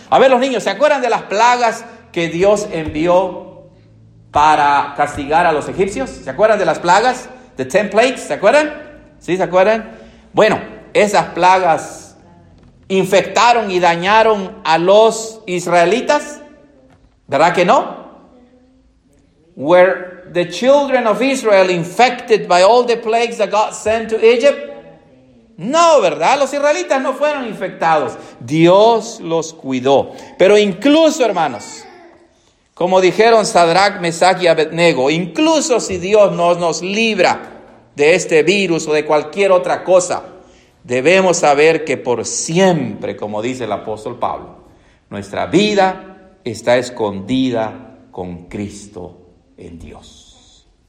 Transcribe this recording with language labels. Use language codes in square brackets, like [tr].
[es] A ver, los niños, ¿se acuerdan de las plagas que Dios envió para castigar a los egipcios? ¿Se acuerdan de las plagas? [en] The 10 plagues, [es] ¿se acuerdan? ¿Sí se acuerdan? Bueno, esas plagas infectaron y dañaron a los israelitas, ¿verdad que no? [en] Were the children of Israel infected by all the plagues that God sent to Egypt? [es] No, ¿verdad? Los israelitas no fueron infectados. Dios los cuidó. Pero incluso, hermanos, como dijeron Sadrach, Mesach y Abednego, incluso si Dios nos libra de este virus o de cualquier otra cosa, debemos saber que por siempre, como dice el apóstol Pablo, nuestra vida está escondida con Cristo en Dios.